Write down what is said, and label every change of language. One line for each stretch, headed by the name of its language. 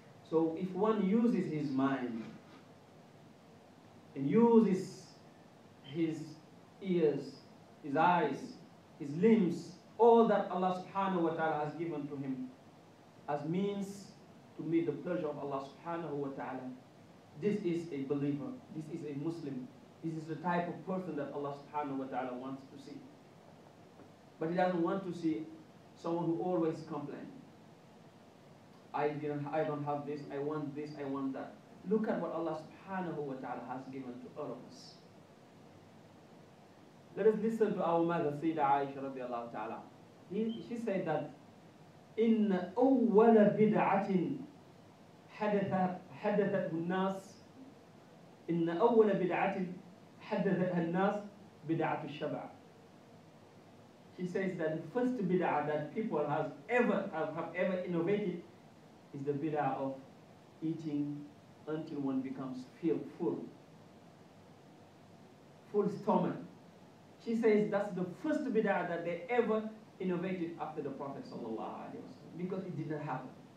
English: So if one uses his mind and uses his ears, his eyes, his limbs, all that Allah subhanahu wa ta'ala has given to him as means to meet the pleasure of Allah subhanahu wa ta'ala, this is a believer, this is a Muslim, this is the type of person that Allah subhanahu wa ta'ala wants to see. But he doesn't want to see someone who always complains. I don't have this, I want this, I want that. Look at what Allah subhanahu wa ta'ala has given to all of us. Let us listen to our mother, Sayyidah Aisha radiallahu ta'ala. She said that,
Arabic: إِنَّ أَوَّلَ بِدْعَةٍ حَدَثَتْهُ النَّاسِ إِنَّ أَوَّلَ بِدْعَةٍ حَدَثَتْهَا النَّاسِ بِدْعَةُ الشَّبَعَ.
English: She says that the first bid'ah that people have ever innovated is the bid'ah of eating until one becomes full stomach. She says that's the first bid'ah that they ever innovated after the Prophet sallallahu alaihi wasallam, because it didn't happen.